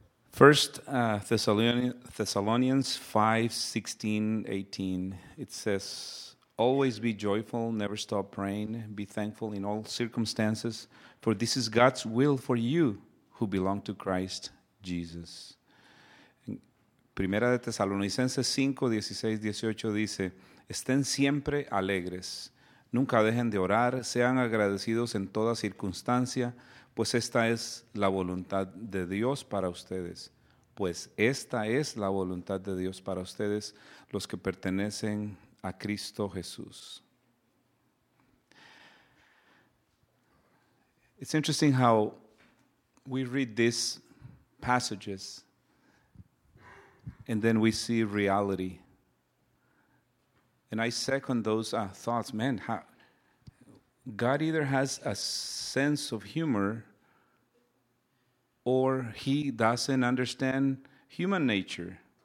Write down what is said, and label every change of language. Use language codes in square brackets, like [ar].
[en] First Thessalonians 5:16-18, it says, always be joyful, never stop praying, be thankful in all circumstances, for this is God's will for you who belong to Christ Jesus. [es] Primera de Tesalonicenses 5:16-18 dice, estén siempre alegres, nunca dejen de orar, sean agradecidos en toda circunstancia, pues esta es la voluntad de Dios para ustedes. Pues esta es la voluntad de Dios para ustedes, los que pertenecen a Cristo Jesús. [en] It's interesting how we read these passages and then we see reality. And I second those thoughts. Man, how, God either has a sense of humor or he doesn't understand human nature.